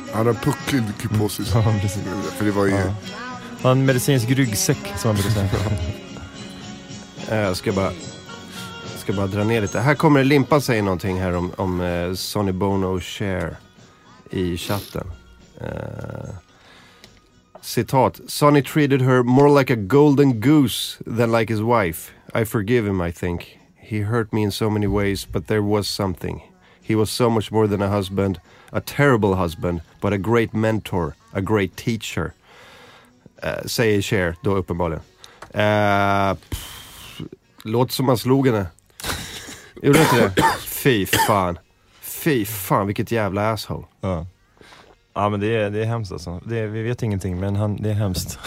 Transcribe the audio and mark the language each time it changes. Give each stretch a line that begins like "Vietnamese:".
Swedish: Han har pucklig kyposis. Ja, precis. För det var ju... ja. Han har medicinsk ryggsäck, som man brukar säga. Jag ska bara dra ner lite. Här kommer Limpa säga någonting här om Sonny Bono och Cher i chatten.
English: Citat: Sonny treated her more like a golden goose than like his wife. I forgive him, I think. He hurt me in so many ways, but there was something. He was so much more than a husband, a terrible husband, but a great mentor, a great teacher.
Swedish: Säger Cher då uppenbarligen. Låt som man slog henne. Gjorde inte det? Fy fan, vilket jävla asshole. Ja. Ja, men det är hemskt alltså. Vi vet ingenting, men det är hemskt.